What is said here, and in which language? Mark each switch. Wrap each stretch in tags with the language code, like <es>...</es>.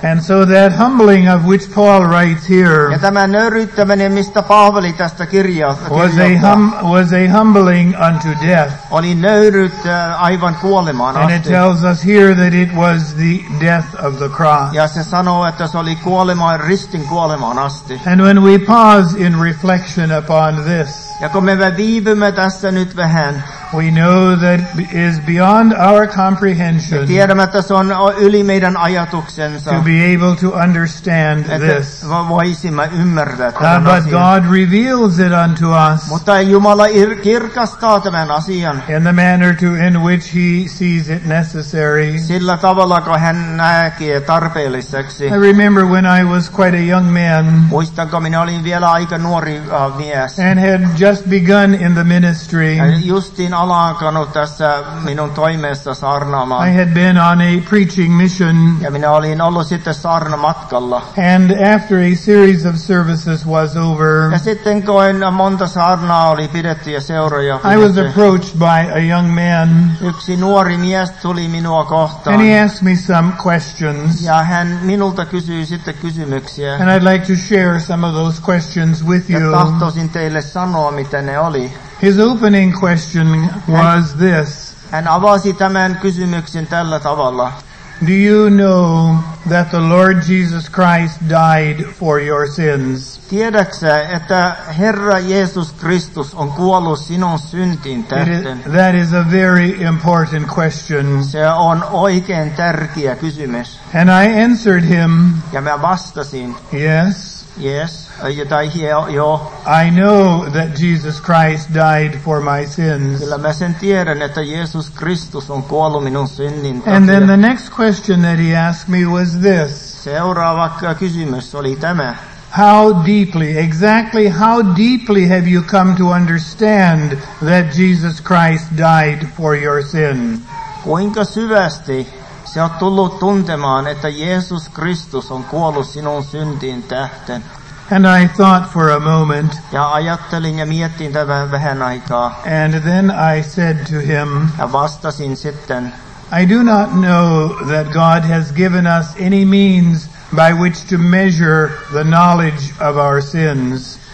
<en>And so that humbling of which Paul writes here.</en> <fi>Ja tämä nöyryyttäminen, mistä Paavali tästä kirjoittaa.</fi> <en>Was a humbling unto death.</en> <fi>Oli nöyryyttä aivan kuolemaan asti.</fi> <en>And it tells us here that it was the death of the cross.</en> <fi>Ja se sanoo, että se oli kuolemaan ristin kuolemaan asti.</fi> <en>And when we pause in reflection upon this.</en> <fi>Ja kun me viivymme tässä nyt vähän.</fi> <en>We know that is beyond our comprehension.</en> <fi>Me tiedämme, että se on yli meidän ajatuksensa.</fi> <en>To be able to understand this.</en> <fi>Että voisimme ymmärtää tämän asian.</fi> <en>But God reveals it unto us.</en> <fi>Mutta Jumala kirkastaa tämän asian.</fi> <en>In the manner to in which he sees it necessary.</en> <fi>Sillä tavalla, kun hän näkee tarpeelliseksi.</fi> <en>I remember when I was quite a young man.</en> <fi>Muistan, kun minä olin vielä aika nuori mies.</fi> <en>And had just begun in the ministry.</en> <fi>Justiin alkanut tässä minun toimessa saarnaamaan.</fi> <en>I had been on a preaching mission.</en> <fi>Ja minä olin ollut sitten saarnamatkalla.</fi> <en>And after a series of services was over.</en> <fi>Ja sitten kun monta saarnaa oli pidetty ja seuroja.</fi> <en>I was approached by a young man.</en> <fi>Yksi nuori mies tuli minua kohtaan.</fi> <en>And he asked me some questions.</en> <fi>Ja hän minulta kysyi sitten kysymyksiä.</fi> <en>And I'd like to share some of those questions with you.</en> <fi>Ja tahtoisin teille sanoa, mitä ne oli.</fi> <en>His opening question was this.</en> <fi>Hän avasi tämän kysymyksen tällä tavalla.</fi> <en>Do you know that the Lord Jesus Christ died for your sins?</en> <fi>Tiedätkö, että Herra Jeesus Kristus on kuollut sinun syntin tähden?</fi> <en>That is a very important question.</en> <fi>Se on oikein tärkeä kysymys.</fi> <en>And I answered him.</en> <fi>Ja mä vastasin.</fi> <en>Yes. Yes, I know that Jesus Christ died for my sins.</en> <fi>Kyllä mä sen tiedän, että Jeesus Kristus on kuollut minun synnin takia.</fi> <en>And then the next question that he asked me was this.</en> <fi>Seuraava kysymys oli tämä.</fi> <en>How deeply, exactly how deeply have you come to understand that Jesus Christ died for your sin?</en> <fi>Kuinka syvästi? Se on tullut tuntemaan, että Jeesus Kristus on kuollut sinun syntiin tähden.</fi> <en>And I thought for a moment.</en> <fi>Ja ajattelin ja mietin tämän vähän aikaa.</fi> <en>And then I said to him.</en> <fi>Ja vastasin sitten.</fi> <en>I do not know that God has given us any means by which to measure the knowledge of our sins.</en>